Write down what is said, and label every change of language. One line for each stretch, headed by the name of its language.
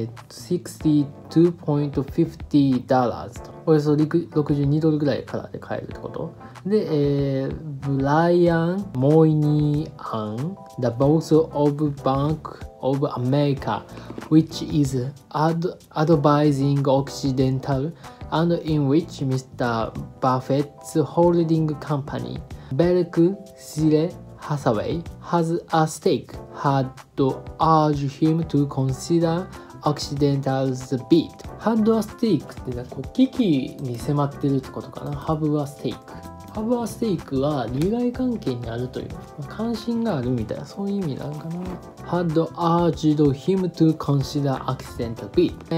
English: 62.50 dollars、
Japanese: およそ62ドルぐらいからで買えるってことで、
English: ブライアン・モイニーアン The Boss of Bank of America which is advising OccidentalAnd in which Mr. Buffett's holding company, Berkshire Hathaway, has a stake, had urged him to consider Occidental's bid. Had a stake
Japanese: ってなんか危機に迫ってるってことかな。
English: Have a stake。 Have a stake
Japanese: は利害関係にあるという、関心があるみたいな、そういう意味なのかな。
English: Had urged him to consider Occidental bid.